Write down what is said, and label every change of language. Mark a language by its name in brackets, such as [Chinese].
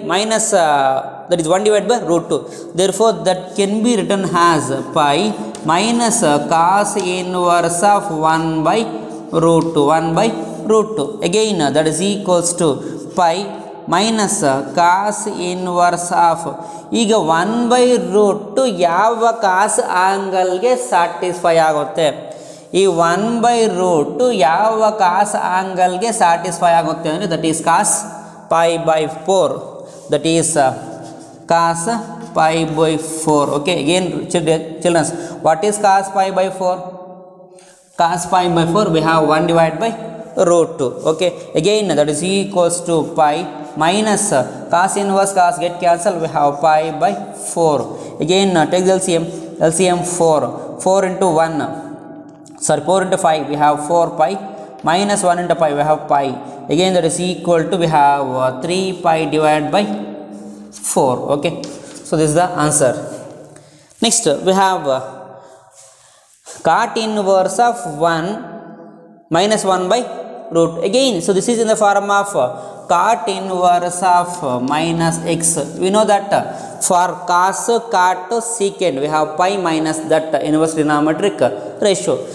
[English] Minus that is 1 divided by √2. Therefore that can be written as pi minus cos inverse of 1/√2. Again that is equals to pi minus cos inverse of, [Kannada] ಈಗ 1/√2 ಯಾವ ಕಾಸ್ ಆಂಗಲ್ಗೆ satisfy ಆಗುತ್ತೆ? ಈ 1/√2 ಯಾವ ಕಾಸ್ ಆಂಗಲ್ಗೆ satisfy ಆಗುತ್ತೆ ಅಂದರೆ [English] That is cos pi by 4, that is cos pi by 4. Okay again childrens, what is cos pi by 4? Cos pi by 4, we have 1 divide by √2. Okay again that is equals to pi minus cos inverse cos get cancel, we have pi by 4. Again take LCM, LCM 4, 4 into 1, sorry 4 into 5, we have 4 pi minus 1 into 5, we have pi. Again that is equal to, we have 3 pi divide by 4. Okay so this is the answer. Next we have cot inverse of 1 minus 1/√. Again, so this is in the form of cot inverse of minus x. We know that for cos, cot, secant, we have pi minus that inverse trigonometric ratio.